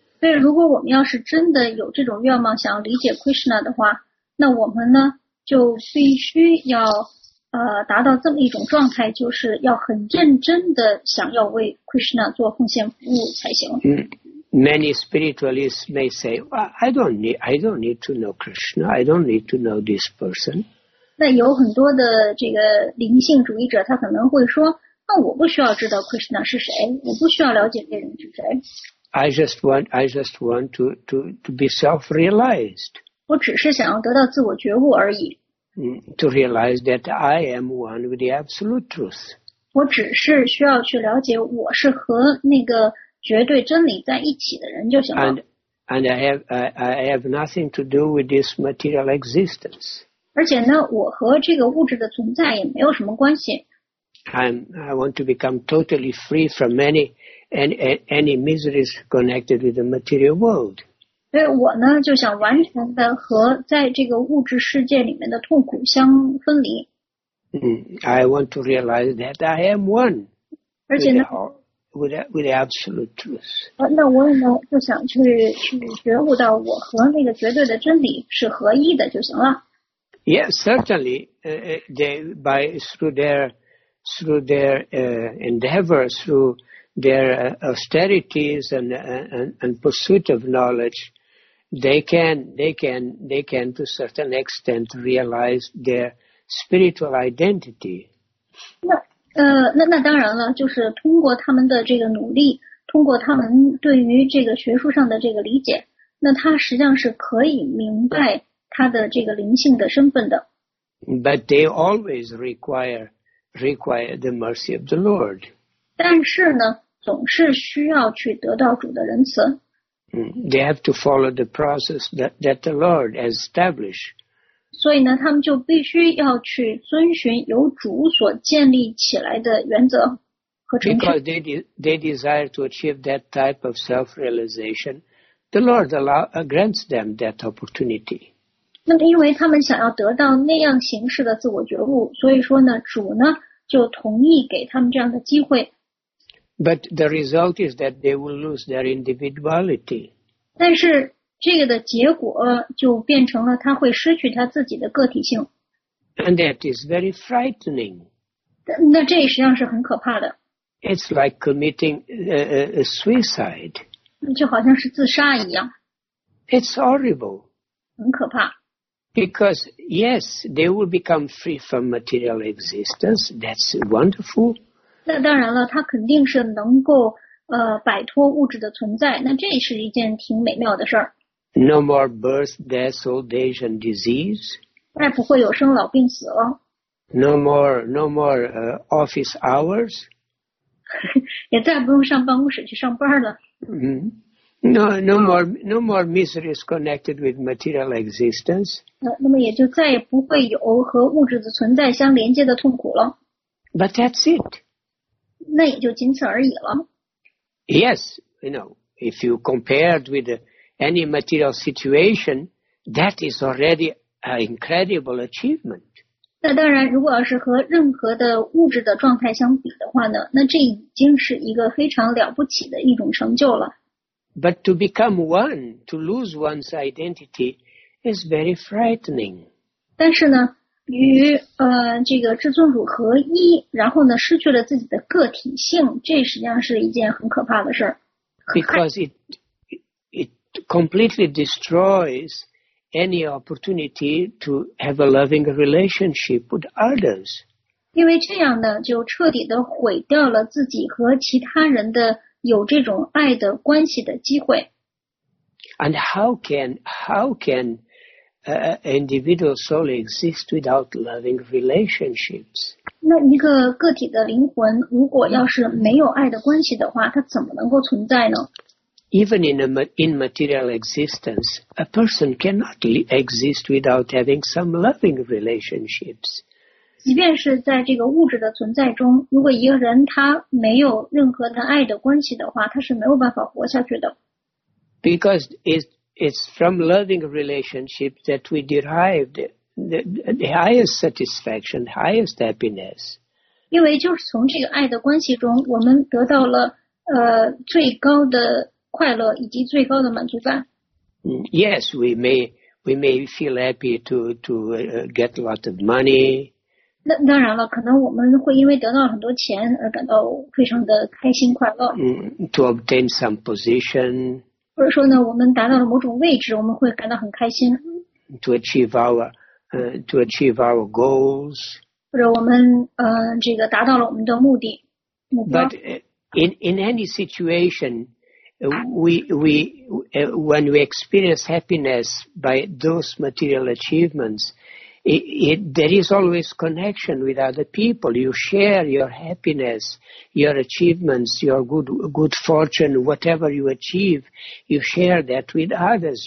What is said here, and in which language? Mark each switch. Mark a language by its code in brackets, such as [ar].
[zh] 所以如果我们要是真的有这种愿望想要理解 Krishna 的话，那我们呢就必须要达到这么一种状态，就是要很认真的想要为 Krishna 做奉献服务才行。 [en] Many spiritualists may say, I don't need to know Krishna. I don't need to know this person. [zh] 那有很多的这个灵性主义者，他可能会说，那我不需要知道 Krishna 是谁，我不需要了解这人是谁。 [en] I just want to be self-realized. [zh] 我只是想要得到自我觉悟而已。 [en] To realize that I am one with the absolute truth. [zh] 我只是需要去了解我是和那个绝对真理在一起的人就行了。 [en] And I have nothing to do with this material existence. [zh] 而且呢，我和这个物质的存在也没有什么关系。 [en] I want to become totally free from any miseries connected with the material world. [zh] 所以我呢就想完全的和在这个物质世界里面的痛苦相分离。 [en] I want to realize that I am one. [zh] 而且呢 [en] with the absolute truth. [zh] 那我呢就想去觉悟到我和那个绝对的真理是合一的就行了。 [en] Yes, certainly, through their endeavor, through their austerities and pursuit of knowledge, they can to a certain extent realize their spiritual identity. [zh] 那当然了，就是通过他们的这个努力，通过他们对于这个学术上的这个理解，那他实际上是可以明白他的这个灵性的身份的。 [en] But they always require the mercy of the Lord. [zh] 但是呢，总是需要去得到主的仁慈。 [en] They have to follow the process that the Lord has established. [zh] 所以呢，他们就必须要去遵循由主所建立起来的原则和程序。 [en] Because they desire to achieve that type of self-realization, the Lord grants them that opportunity. [zh] 那么因为他们想要得到那样形式的自我觉悟，所以说呢，主呢就同意给他们这样的机会。 [en] But the result is that they will lose their individuality. [zh] 但是这个的结果就变成了他会失去他自己的个体性。 [en] And that is very frightening. [zh] 那这实际上是很可怕的。 [en] It's like committing a suicide. [zh] 就好像是自杀一样。 [en] It's horrible. [zh] 很可怕。 [en] Because yes, they will become free from material existence. That's wonderful. [zh] 那当然了，他肯定是能够摆脱物质的存在。那这是一件挺美妙的事儿。 [en] No more birth, death, old age, and disease. [zh] 再不会有生老病死了。 [en] No more office hours. [zh] 也再不用上办公室去上班了。 [en] No more miseries connected with material existence. [zh] 那么也就再也不会有和物质的存在相连接的痛苦了。 [en] But that's it. [zh] 那也就仅此而已了。 [en] Yes, you know, if you compared with any material situation, that is already an incredible achievement. [zh] 那当然，如果要是和任何的物质的状态相比的话呢，那这已经是一个非常了不起的一种成就了。 [en] But to become one, to lose one's identity, is very frightening. [zh] 但是呢，与这个至尊主合一，然后呢，失去了自己的个体性，这实际上是一件很可怕的事儿。 [en] Because it completely destroys any opportunity to have a loving relationship with others. [zh] 因为这样呢，就彻底的毁掉了自己和其他人的。有这种爱的关系的机会。 [en] And how can an individual soul exist without loving relationships? [zh] 那一个个体的灵魂，如果要是没有爱的关系的话，它怎么能够存在呢？ [en] Even in material existence, a person cannot exist without having some loving relationships. [zh] 即便是在这个物质的存在中，如果一个人他没有任何的爱的关系的话，他是没有办法活下去的。 [en] Because it's from loving relationships that we derive the highest satisfaction, highest happiness. [zh] 因为就是从这个爱的关系中，我们得到了最高的快乐以及最高的满足感。 [en] Yes, we may feel happy to get a lot of money. [zh] 那当然了，可能我们会因为得到很多钱而感到非常的开心快乐。 [en] To obtain some position. [zh] 或者说呢，我们达到了某种位置，我们会感到很开心。 [en] To achieve our to achieve our goals. [zh] 或者我们这个达到了我们的目的目标。 [en] But in any situation, when we experience happiness by those material achievements, there is always connection with other people. You share your happiness, your achievements, your good fortune, whatever you achieve, you share that with others.